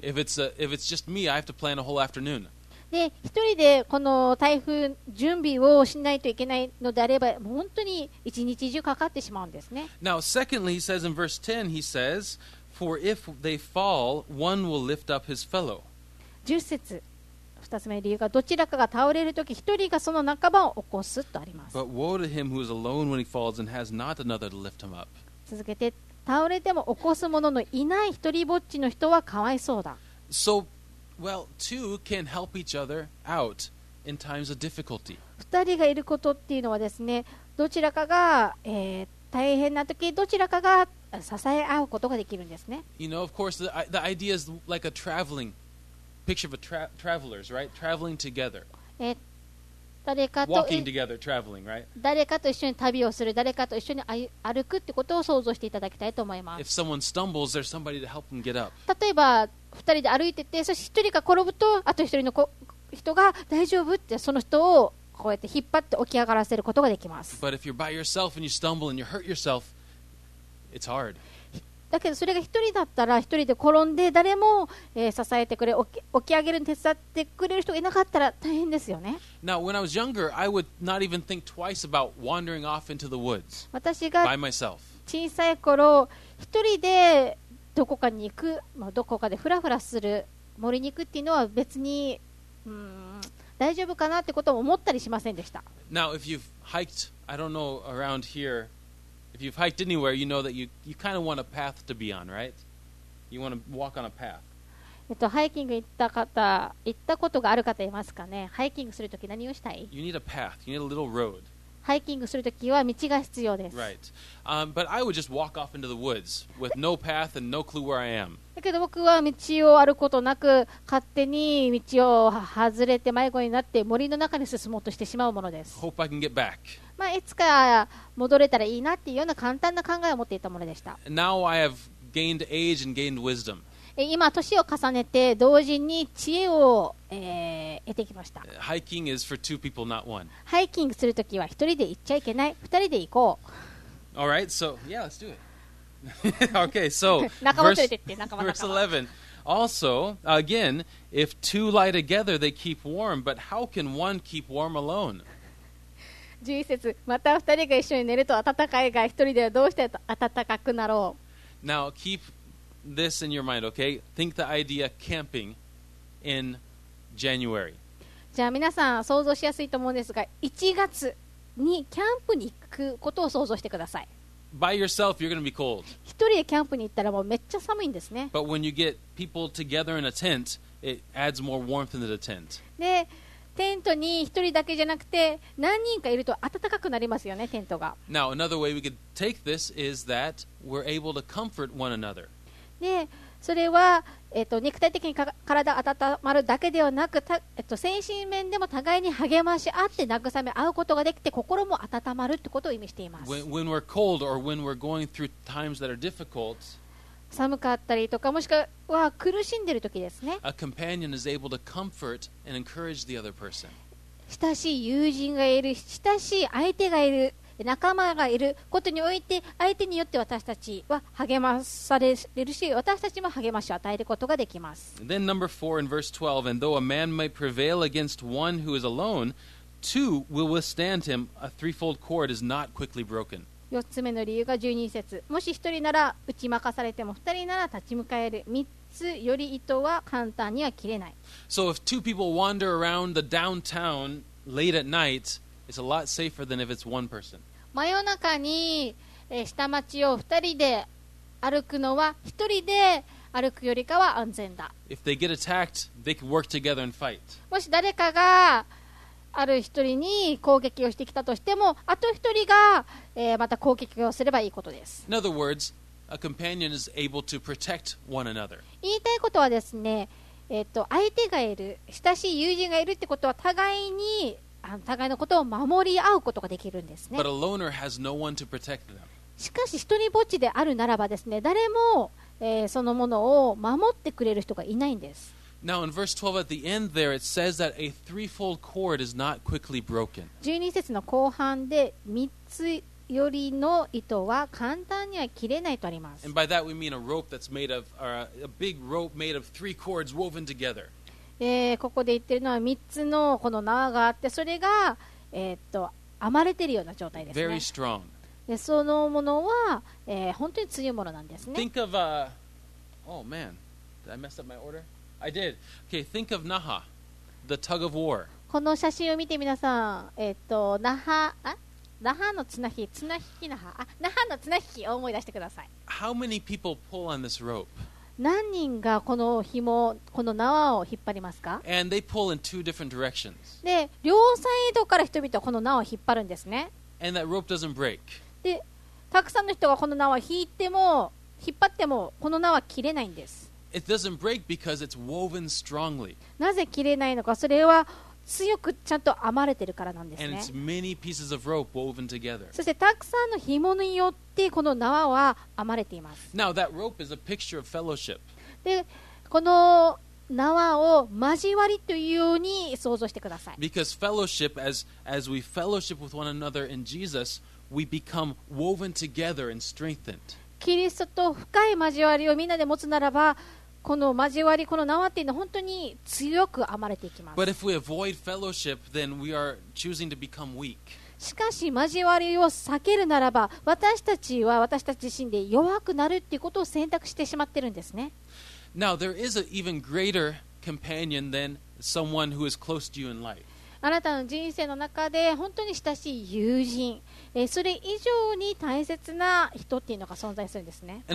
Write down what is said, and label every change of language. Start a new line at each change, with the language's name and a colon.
English: If it's just me, I have to plan a whole afternoon.
Japanese: で一人でこの台風準備をしないといけないのであれば本当に一日中かかってしまうんですね。
English: Now secondly he says in verse 10 he says for if they fall one will lift up his fellow.
Japanese: 10節二つ目の理由がどちらかが倒れるとき一人がその仲間を起こすとあります。
English: But woe to him who is alone when he falls and has not another to lift him up.
Japanese: 続けて倒れても起こす者のいない一人ぼっちの人はかわいそうだ。
English: So, well, two can help each other out in times of difficulty.
Japanese: 二人がいることっていうのはですね、どちらかが、大変なときどちらかが支え合うことができるんですね。
English: You know, of course, the idea is like a travelingPicture of a travelers, right? Traveling together.
Japanese: 誰かと
English: Walking together, traveling, right?
Japanese: 誰かと一緒に旅をする、誰かと一緒に歩くってことを想像していただきたいと思います。
English: If someone stumbles, there's somebody to help them get up.
Japanese: 例えば、二人で歩いてて、そして一人が転ぶと、あと一人の人が大丈夫ってその人をこうやって引っ張って起き上がらせることができます。
English: But if you're by yourself and you stumble and you hurt yourself, it's hard.
Japanese: だけどそれが一人だったら一人で転んで誰も支えてくれ起き上げるに手伝ってくれる人がいなかったら大変ですよね。
English: Now when I was younger I would not even think twice about wandering off into the woods by myself.
Japanese: 私が小さい頃一人でどこかに行く、どこかでフラフラする森に行くっていうのは別に、大丈夫かなってことを思ったりしませんでした。
English: Now if you've hiked I don't know around hereIf you've hiked anywhere, you know that you kind of want a path to be on, right? You want to walk on a path.
Japanese: ハイキング行った方、行ったことがある方いますかね？ハイキングするとき何をしたい？
English: You need a path. You need a little road.
Japanese: ハイキングするときは道が必要です。
English: Right. But I would just walk off into the woods with no path and no clue where I am.
Japanese: だけど僕は道を歩くことなく、勝手に道を外れて迷子になって森の中に進もうとしてしまうものです。
English: Hope I can get back.
Japanese: まあ、いつか戻れたらいいなっていうような簡単な考えを持っていたものでした。
English: Now I have gained age and gained wisdom.
Japanese: 今年を重ねて同時に知恵を、得てきました。
English: Hiking is for two people, not one.
Japanese: ハイキングするときは一人で行っちゃいけない。二人で行こう。
English: All right, so yeah, let's do it. Okay, so
Japanese: 仲間連れてって仲間。
English: Verse 11. Also, again, if two lie together, they keep warm. But how can one keep warm alone?
Japanese: 11節また2人が一緒に寝ると暖かいが1人ではどうして暖かくなろう。
English: Now keep this in your mind, okay? Think the idea camping in January.
Japanese: じゃあ皆さん想像しやすいと思うんですが1月にキャンプに行くことを想像してください。
English: By yourself you're going to be cold.
Japanese: 1人でキャンプに行ったらもうめっちゃ寒いんですね。
English: But when you get people together in a tent it adds more warmth into the tent.
Japanese: でテントに一人だけじゃなくて何人かいると暖かくなりますよね、テントが。
English: Now, another way we could take this is that we're able to comfort one another.
Japanese: で、それは、肉体的に体温まるだけではなく、精神面でも互いに励まし合って慰め合うことができて心も温まるってことを意味しています。
English: When we're cold or when we're going through times that are difficult,
Japanese: 寒かったりとかもしくは苦しんでいる時ですね。
English: A companion is able to comfort and encourage the other person.
Japanese: 親しい友人がいる、親しい相手がいる、仲間がいることにおいて相手によって私たちは励まされるし、私たちも励ましを与えることができます。
English: Then number 4 in verse 12, and though a man might prevail against one who is alone, two will withstand him. A threefold cord is not quickly broken.
Japanese: 4つ目の理由が12節もし1人なら打ち負かされても2人なら立ち向かえる3つより糸は簡単には切れない。
English: So if two people wander around the downtown late at night it's a lot safer than if it's one person.
Japanese: 真夜中に下町を2人で歩くのは1人で歩くよりかは安全だ。
English: If they get attacked they can work together and fight.
Japanese: もし誰かがある一人に攻撃をしてきたとしてもあと一人が、また攻撃をすればいいことです。
English: In other words, a companion is able to protect one another.
Japanese: 言いたいことはですね、相手がいる親しい友人がいるってことは互いに互いのことを守り合うことができるんですね。
English: But a loner has no one to protect them.
Japanese: しかし一人ぼっちであるならばですね誰も、そのものを守ってくれる人がいないんです。
English: Now in verse 12 at the end there it says that a threefold cord is not quickly broken.
Japanese: 12節の後半で3つよりの糸は簡単には切れないとあります。
English: And by that we mean a rope that's made of, or a big rope made of three cords woven together.
Japanese: ここで言ってるのは3つのこの縄があって、それが、編まれてるような状態ですね。
English: Very strong.
Japanese: でそのものは、本当に強いものなんですね。
English: Think of a... Oh man, did I mess up my order? I did. Okay, think of Naha, the tug of war.
Japanese: この写真を見て皆さん、Naha、那覇の綱引き、綱引き那覇、那覇の綱引きを思い出してください。
English: How many people pull on this rope?
Japanese: 何人がこの紐、この縄を引っ張りますか？
English: And they pull in two different directions.
Japanese: で、両サイドから人々はこの縄を引っ張るんですね。
English: And that rope doesn't break.
Japanese: で、たくさんの人がこの縄を引いても、引っ張っても、この縄は切れないんです。
English: It doesn't break because it's woven strongly.
Japanese: なぜ切れないのか、それは強くちゃんと編まれてるからなんですね。
English: And it's many pieces of rope woven together.
Japanese: そしてたくさんの紐によってこの縄は編まれています。
English: Now, that rope is a picture of fellowship.
Japanese: でこの縄を交わりというように想像してください。
English: Because fellowship, as we fellowship with one another in Jesus, we become woven together and strengthened.
Japanese: キリストと深い交わりをみんなで持つならば、この交わり、この縄っていうのは本当に強く編まれていきます。
English: But if we avoid fellowship, then we are choosing to become weak.
Japanese: しかし交わりを避けるならば、私たちは私たち自身で弱くなるっていうことを選択してしまってるんですね。
English: Now, there is an even greater companion than someone who is close to you in life.
Japanese: あなたの人生の中で本当に親しい友人、それ以上に大切な人っていうのが存在するんですね。